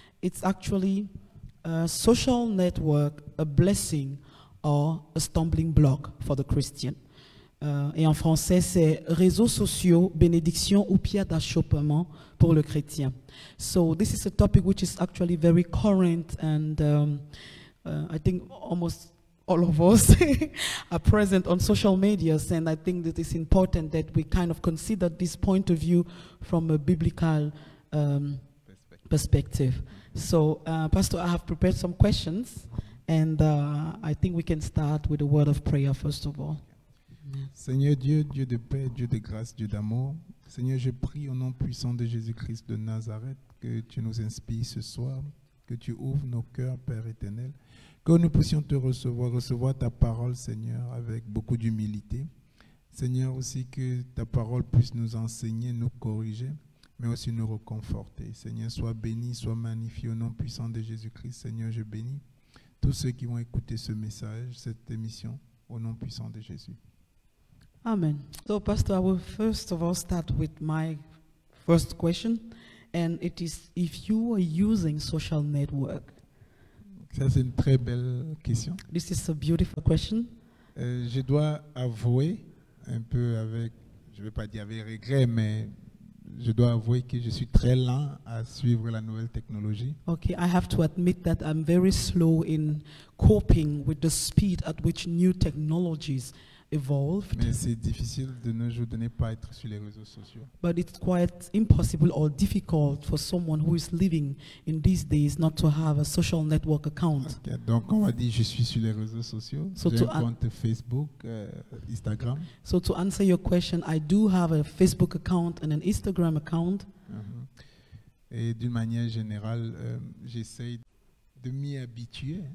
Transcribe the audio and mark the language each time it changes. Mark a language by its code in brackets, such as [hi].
[en] It's actually a social network, a blessing or a stumbling block for the Christian. [fr] Et en français, c'est réseaux sociaux, bénédiction ou pierre d'achoppement pour le chrétien. [en] So this is a topic which is actually very current, and I think almost all of us are present on social media, and I think that it's important that we kind of consider this point of view from a biblical perspective. So, Pastor, I have prepared some questions, and I think we can start with a word of prayer, first of all. [fr] Seigneur Dieu, Dieu de paix, Dieu de grâce, Dieu d'amour, Seigneur, je prie au nom puissant de Jésus-Christ de Nazareth que tu nous inspires ce soir, que tu ouvres nos cœurs, Père éternel, que nous puissions te recevoir, recevoir ta parole, Seigneur, avec beaucoup d'humilité. Seigneur, aussi que ta parole puisse nous enseigner, nous corriger, mais aussi nous réconforter. Seigneur, sois béni, sois magnifié au nom puissant de Jésus-Christ. Seigneur, je bénis tous ceux qui vont écouter ce message, cette émission, au nom puissant de Jésus. Amen. [en] So, Pastor, I will first of all start with my first question, and it is, if you are using social network, [fr] ça, c'est une très belle question. [en] This is a beautiful question. [fr] Je dois avouer un peu avec, je ne vais pas dire avec regret, mais je dois avouer que je suis très lent à suivre la nouvelle technologie. [en] Okay, I have to admit that I'm very slow in coping with the speed at which new technologies evolve. [fr] Mais c'est difficile de nos jours de ne pas être sur les réseaux sociaux. [en] But it's quite impossible or difficult for someone who is living in these days not to have a social network account. [fr] Okay, donc on va dire je suis sur les réseaux sociaux. So j'ai un compte Facebook, Instagram. [en] So to answer your question, I do have a Facebook account and an Instagram account. Uh-huh. [fr] Et d'une manière générale, j'essaie de m'y habituer.